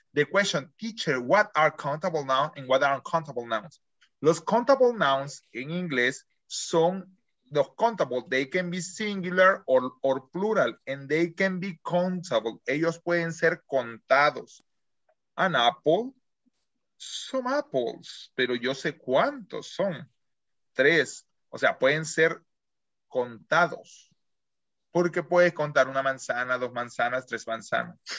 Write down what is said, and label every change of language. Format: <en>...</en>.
<en>The question, teacher, what are countable nouns and what are uncountable nouns?</en> <es>Los countable nouns en inglés son los countable.</es> <en>They can be singular or plural and they can be countable.</en> <es>Ellos pueden ser contados.</es> <en>An apple, some apples,</en> <es>pero yo sé cuántos son. Tres, o sea, pueden ser contados. Porque puedes contar una manzana, dos manzanas, tres manzanas.</es>